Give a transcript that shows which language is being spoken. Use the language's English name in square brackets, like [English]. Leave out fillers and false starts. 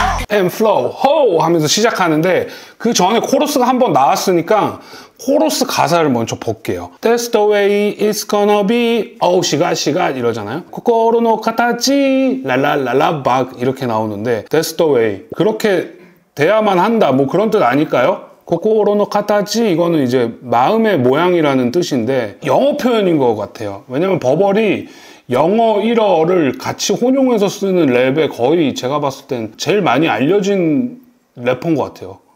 [Korean] 엠플로우 호 하면서 시작하는데 그 전에 코러스가 한번 나왔으니까 코러스 가사를 먼저 볼게요. [English] That's the way it's gonna be. [Korean] Oh, 시가 이러잖아요. [Japanese] 코코로노 카타치 [Korean] 랄랄랄라 박 이렇게 나오는데 [English] That's the way. [Korean] 그렇게 돼야만 한다. 뭐 그런 뜻 아닐까요? [Japanese] 코코로노 카타치 [Korean] 이거는 이제 마음의 모양이라는 뜻인데 영어 표현인 것 같아요. 왜냐면 버벌이 영어 1어를 같이 혼용해서 쓰는 랩에 거의 제가 봤을 땐 제일 많이 알려진 래퍼인 것 같아요.